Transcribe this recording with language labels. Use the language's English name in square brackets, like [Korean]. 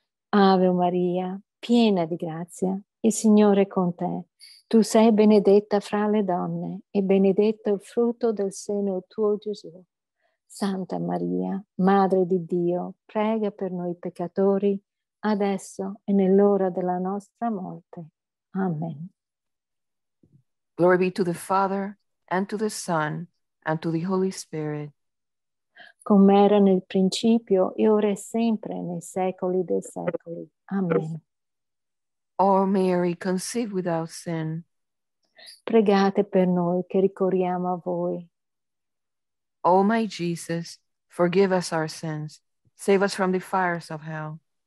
[Italian] Ave Maria, piena di grazia, il Signore è con te. Tu sei benedetta fra le donne e benedetto il frutto del seno tuo Gesù. Santa Maria, Madre di Dio, prega per noi peccatori, adesso e nell'ora della nostra morte. Amen. [English] Glory be to the Father, and to the Son, and to the Holy Spirit. [Italian] Come era nel principio, e ora è sempre, nei secoli dei secoli. Amen. [English] O Mary, conceived without sin. [Italian] Pregate per noi che ricorriamo a voi. [English] O my Jesus, forgive us our sins. Save us from the fires of hell.